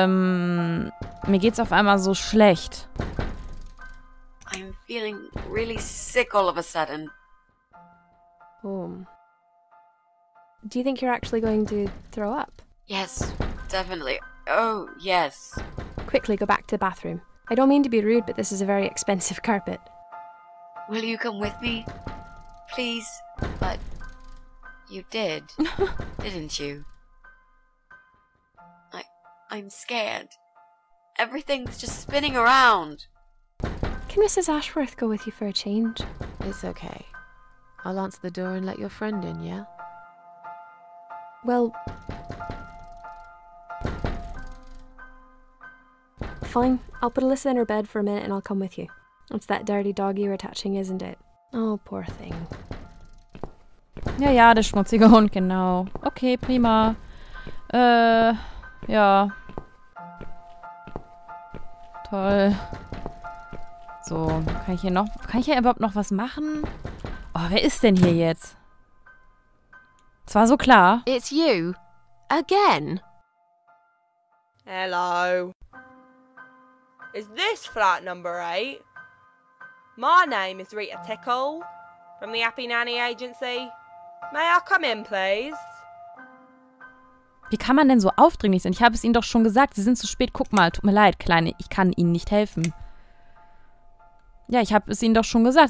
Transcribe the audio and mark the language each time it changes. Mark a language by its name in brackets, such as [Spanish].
[German] Mir geht's auf einmal so schlecht. [English] I'm feeling really sick all of a sudden. Oh. Do you think you're actually going to throw up? Yes, definitely. Oh, yes. Quickly go back to the bathroom. I don't mean to be rude, but this is a very expensive carpet. Will you come with me? Please? But you did, didn't you? I'm scared. Everything's just spinning around. Can Mrs. Ashworth go with you for a change? It's okay. I'll answer the door and let your friend in, yeah? Well... Fine. I'll put Alyssa in her bed for a minute and I'll come with you. It's that dirty dog you're attaching, isn't it? Oh, poor thing. [German] Ja, ja, der schmutzige Hund, genau. Okay, prima. Ja. Toll. So, kann ich hier noch... Kann ich hier überhaupt noch was machen? Oh, wer ist denn hier jetzt? Es war so klar. [English] It's you. Again. Hello. Is this flat number 8? My name is Rita Tickle from the Happy Nanny Agency. May I come in, please? [German] Wie kann man denn so aufdringlich sein? Ich habe es Ihnen doch schon gesagt. Sie sind zu spät. Guck mal, tut mir leid, Kleine. Ich kann Ihnen nicht helfen. Ja, ich habe es Ihnen doch schon gesagt.